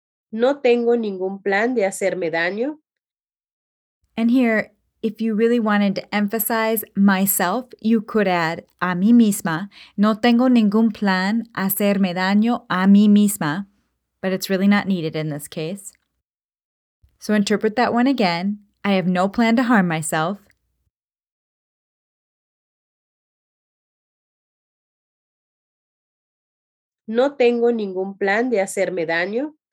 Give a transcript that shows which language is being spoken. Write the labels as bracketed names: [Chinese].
[Spanish] No tengo ningún plan de hacerme daño. [English] And here, if you really wanted to emphasize myself, you could add a mí misma. [Spanish] No tengo ningún plan hacerme daño a mí misma. [English] But it's really not needed in this case. So interpret that one again. I have no plan to harm myself. [Spanish] No tengo ningún plan de hacerme daño.